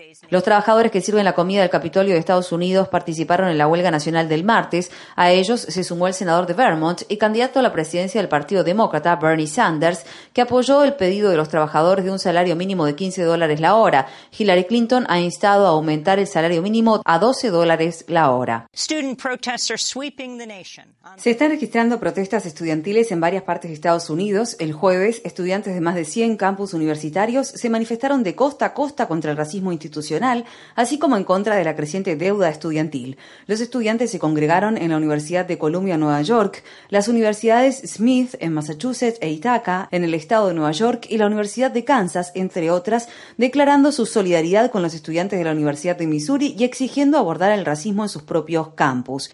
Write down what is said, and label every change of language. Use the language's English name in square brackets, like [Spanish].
[Spanish] Los trabajadores que sirven la comida del Capitolio de Estados Unidos participaron en la huelga nacional del martes. A ellos se sumó el senador de Vermont y candidato a la presidencia del Partido Demócrata, Bernie Sanders, que apoyó el pedido de los trabajadores de un salario mínimo de $15 la hora. Hillary Clinton ha instado a aumentar el salario mínimo a $12 la hora. [English] Student protests are sweeping the nation. [Spanish] Se están registrando protestas estudiantiles en varias partes de Estados Unidos. El jueves, estudiantes de más de 100 campus universitarios se manifestaron de costa a costa contra el racismo institucional, así como en contra de la creciente deuda estudiantil. Los estudiantes se congregaron en la Universidad de Columbia, Nueva York, las universidades Smith en Massachusetts e Ithaca en el estado de Nueva York y la Universidad de Kansas, entre otras, declarando su solidaridad con los estudiantes de la Universidad de Missouri y exigiendo abordar el racismo en sus propios campus.